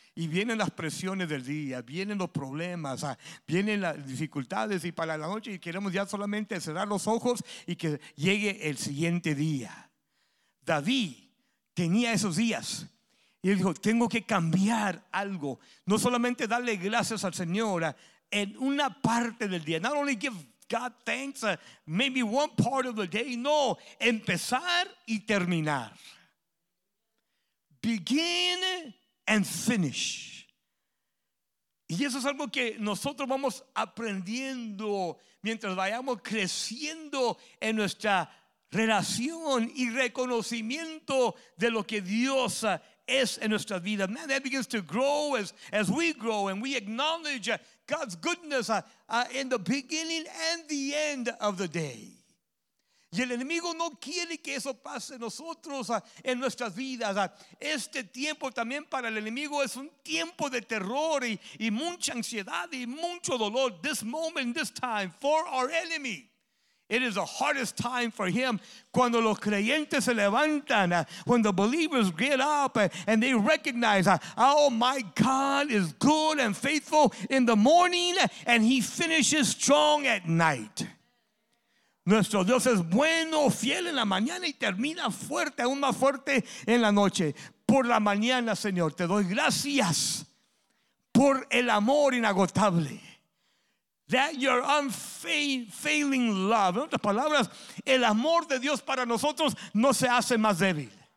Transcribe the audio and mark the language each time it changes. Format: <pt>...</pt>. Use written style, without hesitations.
<es>Y vienen las presiones del día, vienen los problemas, vienen las dificultades y para la noche queremos ya solamente cerrar los ojos y que llegue el siguiente día. David tenía esos días. Y él dijo, tengo que cambiar algo. No solamente darle gracias al Señor en una parte del día.</es> <en>Not only give God thanks, maybe one part of the day.</en> <es>No, empezar y terminar.</es> <en>Begin and finish.</en> <es>Y eso es algo que nosotros vamos aprendiendo mientras vayamos creciendo en nuestra relación y reconocimiento de lo que Dios es en nuestra vida.</es> <en>Man, that begins to grow as we grow and we acknowledge God's goodness in the beginning and the end of the day.</en> <es>Y el enemigo no quiere que eso pase nosotros en nuestras vidas. Este tiempo también para el enemigo es un tiempo de terror y mucha ansiedad y mucho dolor.</es> <en>This moment, this time for our enemy. It is the hardest time for him.</en> <es>Cuando los creyentes se levantan,</es> <en>when the believers get up and they recognize, oh my God is good and faithful in the morning and he finishes strong at night.</en> <es>Nuestro Dios es bueno, fiel en la mañana y termina fuerte, aún más fuerte en la noche. Por la mañana, Señor, te doy gracias por el amor inagotable.</es> <en>That your unfailing love.</en> <es>En otras palabras, el amor de Dios para nosotros no se hace más débil.</es>